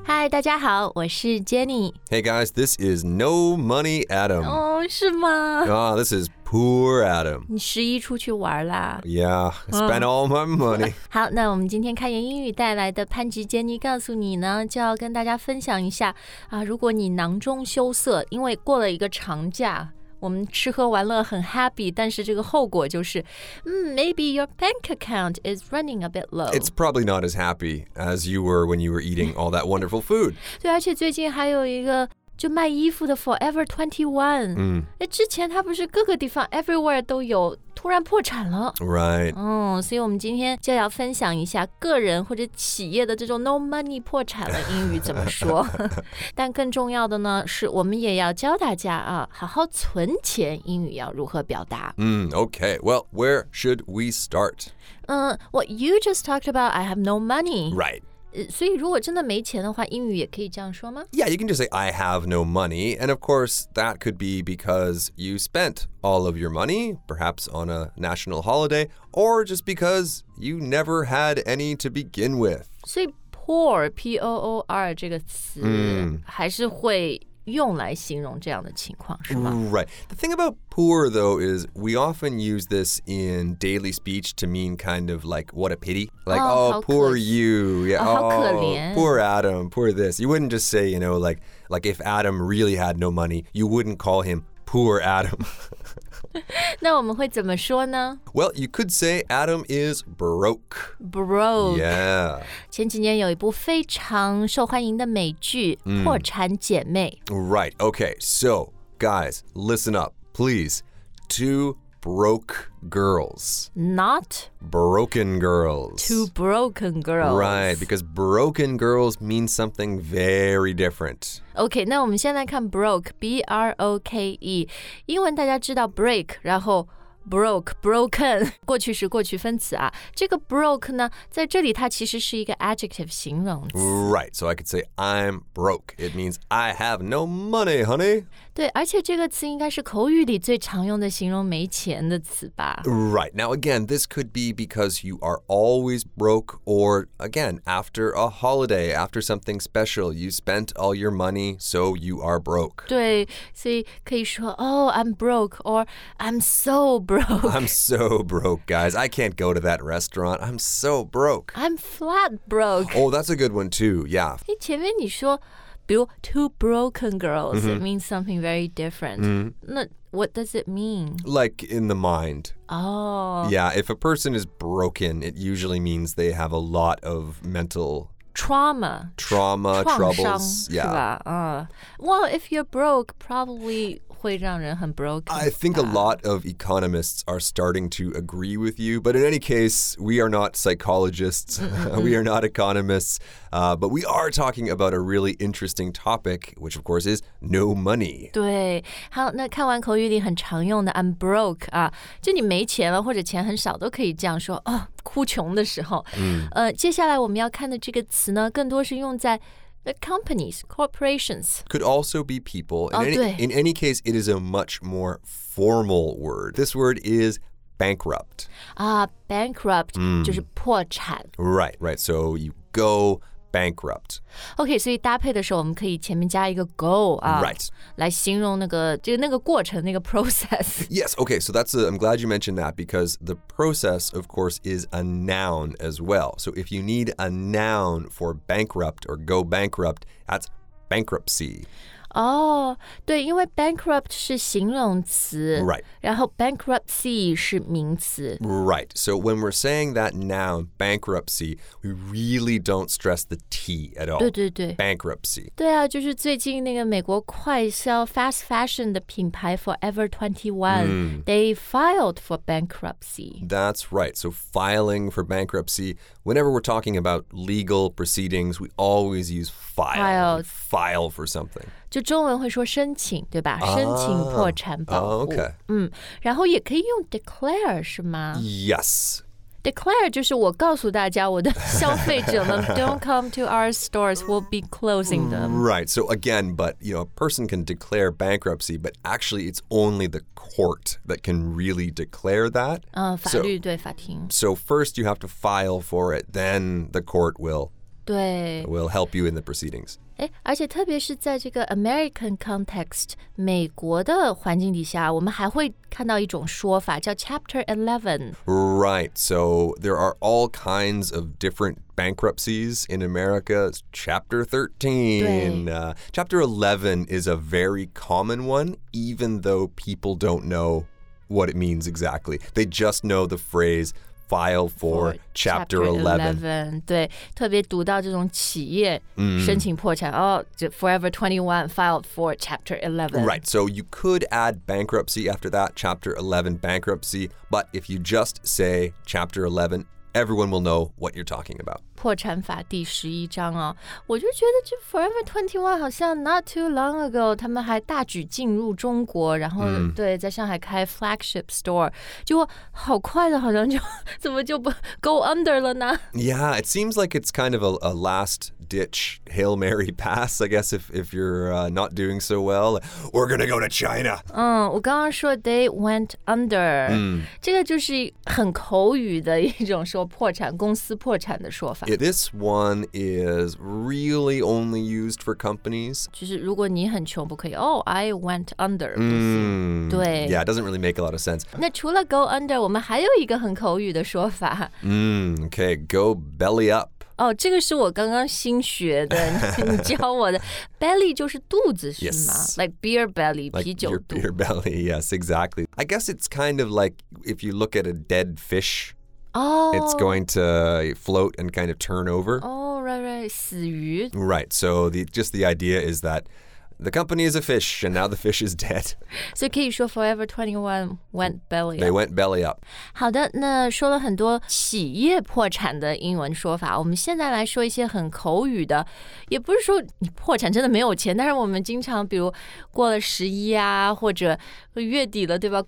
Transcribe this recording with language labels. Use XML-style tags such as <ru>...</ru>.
<zh>大家好，我是 Jenny。</zh> <en>Hey guys, this is No Money Adam.</en> <zh>哦，是吗？</zh> <en>啊，this is Poor Adam.</en> <zh>你十一出去玩啦</zh> <en>？Yeah, spend all my money.</en> <zh>好，那我们今天开言英语带来的潘吉 Jenny 告诉你呢，就要跟大家分享一下啊，如果你囊中羞涩，因为过了一个长假。我们吃喝玩乐很</zh> <en>happy,</en> <zh>但是这个后果就是</zh> <en>maybe your bank account is running a bit low. It's probably not as happy as you were when you were eating all that wonderful food.</en> <zh>对，而且最近还有一个就卖衣服的 Forever 21。之前它不是各个地方 everywhere 都有，突然破产了。</zh> <en>Right.</en> <zh>所以我们今天就要分享一下个人或者企业的这种 no money 破产了英语怎么说。但更重要的呢，是我们也要教大家啊，好好存钱，英语要如何表达。</zh> <en>Okay. Well, where should we start? What you just talked about, I have no money. Right.</en> <zh>所以如果真的没钱的话，英语也可以这样说吗？</zh> <en>Yeah, you can just say, I have no money. And of course, that could be because you spent all of your money, perhaps on a national holiday, or just because you never had any to begin with.</en> <zh>所以 poor, P-O-O-R 这个词、还是会用来形容这样的情况，是吧？</zh> <en>Right. The thing about poor, though, is we often use this in daily speech to mean kind of like, what a pity. Like, oh, poor you. Yeah, oh, poor Adam, poor this. You wouldn't just say, you know, like if Adam really had no money, you wouldn't call him poor Adam.</en> <zh>那我们会怎么说呢？</zh> <en>Well, you could say Adam is broke. Broke. Yeah.</en> <zh>前几年有一部非常受欢迎的美剧《破产姐妹》。</zh> <en>Right. Okay. So, guys, listen up, please. Two broke girls. Not broken girls. Two broken girls. Right. Because broken girls mean something very different.</en> <zh>Okay, 那我们先来看 broke, B-R-O-K-E. 英文大家知道 break, 然后 broke, broken, 过去时过去分词啊。这个 broke 呢，在这里它其实是一个 adjective 形容词。</zh> <en>Right, so I could say I'm broke. It means I have no money, honey.</en> <zh>对，而且这个词应该是口语里最常用的形容没钱的词吧。</zh> <en>Right, now again, this could be because you are always broke or, again, after a holiday, after something special, you spent all your money. So you are broke.</en> <zh>对，所以可以说</zh> <en>Oh, I'm broke or I'm so broke. I'm so broke, guys. I can't go to that restaurant. I'm so broke. I'm flat broke. Oh, that's a good one too. Yeah.</en> <zh>前面你说比如</zh> <en>two broken girls,、</en> <zh>mm-hmm.</zh> <en>it means something very different.、Mm-hmm. What does it mean? Like in the mind. Oh. Yeah, if a person is broken, it usually means they have a lot of mental... Trauma, troubles, yeah. Well, if you're broke, probably</en> <zh>会让人很</zh> <en>broken. I think a lot of economists are starting to agree with you, but in any case, we are not psychologists, we are not economists, but we are talking about a really interesting topic, which of course is no money.</en> <zh>对，好，那看完口语里很常用的 I'm broke, 就你没钱了或者钱很少都可以这样说、oh,哭穷的时候、接下来我们要看的这个词呢更多是用在 companies, corporations.</zh> <en>Could also be people. In any case, it is a much more formal word. This word is bankrupt.</en> <zh>Bankrupt,、就是破产。</zh> <en>Right, right. So you go bankrupt.</en> <zh>Okay, 所以搭配的时候我们可以前面加一个 go,、</zh> <en>right.</en> <zh>来形容那个就那个过程那个 process.</zh> <en>Yes, okay, so I'm glad you mentioned that because the process, of course, is a noun as well. So if you need a noun for bankrupt or go bankrupt, that's bankruptcy.</en> <zh>Oh, 对因为 bankrupt 是形容词</zh> <en>Right.</en> <zh>然后 bankruptcy 是名词</zh> <en>Right. So when we're saying that noun, bankruptcy, we really don't stress the T at all.</en> <zh>对对对</zh> <en>Bankruptcy.</en> <zh>对啊就是最近那个美国快消 fast fashion 的品牌 Forever 21,</zh> <en>they filed for bankruptcy. That's right. So filing for bankruptcy, whenever we're talking about legal proceedings, we always use file. File for something.</en> <zh>就中文会说申请，对吧？申请破产保护。然后也可以用 declare 是吗</zh> <en>？Yes.</en> <zh>Declare 就是我告诉大家我的消费者们 ，</zh> <en>Don't come to our stores. We'll be closing them. Right. So again, but you know, a person can declare bankruptcy, but actually, it's only the court that can really declare that.</en> <zh>法律对法庭。</zh> <en>So first, you have to file for it. Then the court will</en> <zh>对</zh> <en>will help you in the proceedings.</en> <zh>诶，而且特别是在这个 American context, 美国的环境底下，我们还会看到一种说法叫 Chapter 11.</zh> <en>Right, so there are all kinds of different bankruptcies in America. Chapter 13. Chapter 11 is a very common one, even though people don't know what it means exactly. They just know the phrase,File for chapter 11.</en> <zh>对，特别读到这种企业申请破产，</zh> <en>Forever 21 filed for chapter 11. Right, so you could add bankruptcy after that, chapter 11 bankruptcy, but if you just say chapter 11, everyone will know what you're talking about.</en> <zh>破产法第十一章哦，我就觉得这 Forever 21好像</zh> <en>not too long ago,</en> <zh>他们还大举进入中国，然后对，在上海开 flagship store, 结果好快的好像就怎么就不 go under 了呢？</zh> <en>Yeah, it seems like it's kind of a last ditch Hail Mary pass, I guess, if you're not doing so well. We're gonna go to China.</en> <zh>我刚刚说</zh> <en>they went under,</en> <zh>这个就是很口语的一种说破产，公司破产的说法。</zh> <en>This one is really only used for companies.</en> <zh>就是如果你很穷不可以</zh> <en>I went under.</en> <zh>对。</zh> <en>Yeah, it doesn't really make a lot of sense.</en> <zh>那除了 go under, 我们还有一个很口语的说法。</zh> <en>Okay, go belly up.</en> <zh>哦，这个是我刚刚新学的，你教我的。 Belly 就是肚子是吗</zh> <en>？Yes. Like beer belly, 啤酒肚。 Like beer belly, yes, exactly. I guess it's kind of like if you look at a dead fish. It's going to float and kind of turn over. Oh, right, right.</en> <zh>死鱼</zh> <en>Right. So the idea is that the company is a fish and now the fish is dead. So can you say Forever 21 went belly up? They went belly up.</en> <zh>好的，那说了很多企业破产的英文说法，我们现在来说一些很口语的。也不是说你破产真的没有钱，但是我们经常比如过了十一啊，或者月底了，对吧？</zh>